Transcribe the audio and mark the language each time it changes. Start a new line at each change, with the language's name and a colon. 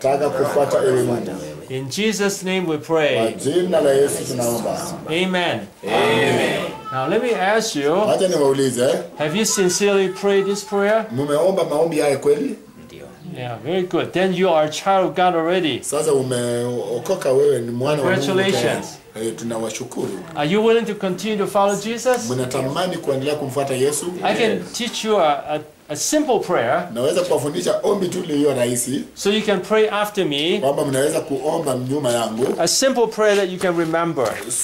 Swahili: Nataka kufuata ewe Mungu.
English: In Jesus' name we pray.
Swahili: Kwa jina la Yesu tunaomba.
English: Amen. Amen. Now let me ask you.
Swahili: Acha niwaulize.
English: Have you sincerely prayed this prayer?
Swahili: Mumeomba maombi haya kweli?
English: Yeah, very good. Then you are a child of God already.
Swahili: Sasa umeokoka wewe ni mwana wa Mungu.
English: Congratulations.
Swahili: Tunawashukuru.
English: Are you willing to continue to follow Jesus?
Swahili: Mnatamani kuendelea kumfuata Yesu?
English: I can teach you a simple prayer.
Swahili: Naweza kuwafundisha ombi tu lililo rahisi.
English: So you can pray after me.
Swahili: Kwamba mnaweza kuomba nyuma yangu.
English: A simple prayer that you can remember.